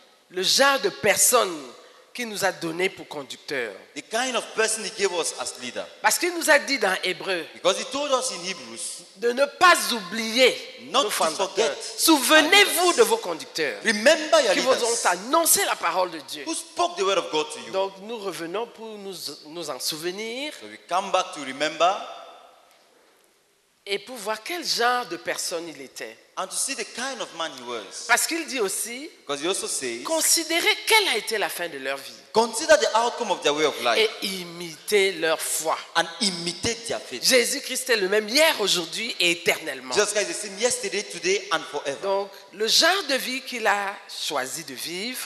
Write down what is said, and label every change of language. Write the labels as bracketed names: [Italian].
[French] Le genre de personne qu'il nous a donné pour conducteur. [English] The kind of person he gave us as leader. [French] Parce qu'il nous a dit dans Hébreu. [English] Because he told us in Hebrews. [French] De ne pas oublier [English] not [French] nos fondateurs. [English] To forget. [French] Souvenez-vous de vos conducteurs. [English] Remember your [French] qui [English] leaders. [French] Qui vous ont annoncé la parole de Dieu. [English] Who spoke the word of God to you. [French] Donc nous revenons pour nous en souvenir. [English] So we come back to remember. [French] Et pour voir quel genre de personne il était. [English] And to see the kind of man he was. [French] Parce qu'il dit aussi, [English] because he also says, [French] considérez quelle a été la fin de leur vie. [English] Consider the outcome of their way of life. [French] Et imitez leur foi. [English] And imitate their faith. [French] Jésus-Christ est le même hier, aujourd'hui et éternellement. [English] Jesus Christ is the same yesterday, today and forever. [French] Donc, le genre de vie qu'il a choisi de vivre,